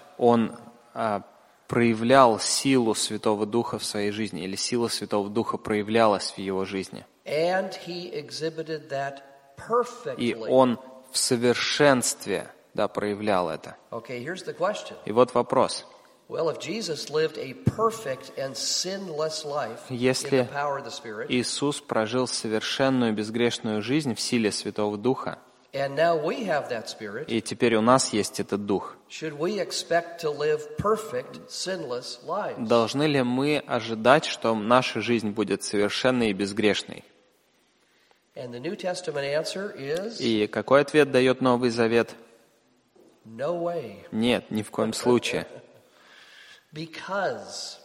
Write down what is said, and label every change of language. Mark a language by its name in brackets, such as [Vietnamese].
[Russian] Он проявлял силу Святого Духа в своей жизни, или сила Святого Духа проявлялась в его жизни. [English] And he exhibited that [Russian] и он в совершенстве, да, проявлял это. [English] Okay, here's the question. [Russian] И вот вопрос. [English] Well, if Jesus lived a perfect and sinless life in the power of the Spirit, [Russian] если Иисус прожил совершенную безгрешную жизнь в силе Святого Духа, [English] and now we have that Spirit, [Russian] и теперь у нас есть этот Дух, [English] should we expect to live perfect, sinless lives? [Russian] Должны ли мы ожидать, что наша жизнь будет совершенной и безгрешной? [English] And the New Testament answer is. [Russian] И какой ответ дает Новый Завет? [English] No way. [Russian] Нет, ни в коем случае. [English] Because.